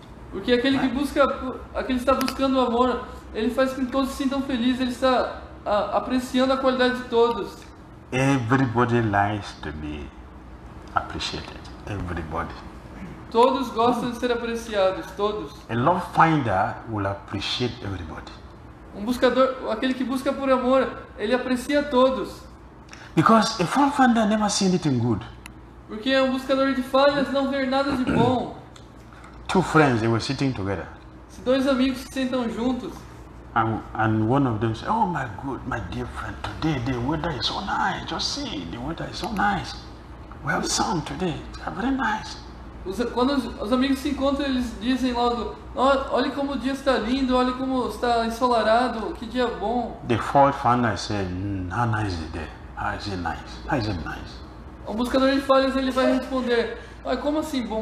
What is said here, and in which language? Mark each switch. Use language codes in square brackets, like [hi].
[pt] Porque aquele que busca, aquele que está buscando o amor, ele faz com que todos se sintam felizes, ele está apreciando a qualidade de todos. [en] Everybody likes to be appreciated. Everybody. [pt] Todos gostam de ser apreciados, todos. [en] A love finder will appreciate everybody. [pt] Um buscador, aquele que busca por amor, ele aprecia todos. [en] Because a love finder never sees anything good. [pt] Porque um buscador de falhas não vê nada de bom. [en] Two friends, they were sitting together. [pt] Se dois amigos se sentam juntos. [en] And one of them said, oh my good, my dear friend, today the weather is so nice. Just see, the weather is so nice. We have sun today, it's very nice. [pt] Quando os amigos se encontram, eles dizem logo, olha como o dia está lindo, olha como está ensolarado, que dia bom. [en] The fourth friend said, how nice is the day? How is it nice? How is it nice? [pt] O buscador de falhas, ele vai responder, ah, como assim bom?